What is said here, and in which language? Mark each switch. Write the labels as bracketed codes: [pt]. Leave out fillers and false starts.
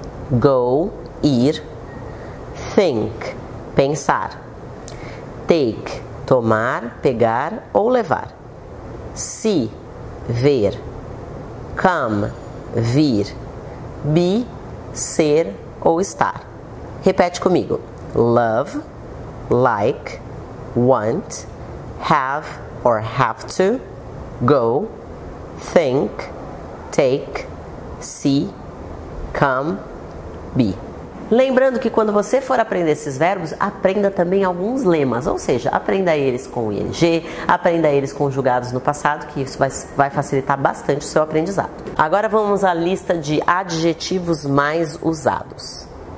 [pt] go, ir; think, pensar; take, tomar, pegar ou levar; see, ver; come, vir; be, ser ou estar. Repete comigo: [en] love, like, want, have or have to, go, think, take, see, come, be. [pt] Lembrando que quando você for aprender esses verbos, aprenda também alguns lemas, ou seja, aprenda eles com ing, aprenda eles conjugados no passado, que isso vai facilitar bastante o seu aprendizado. Agora vamos à lista de adjetivos mais usados: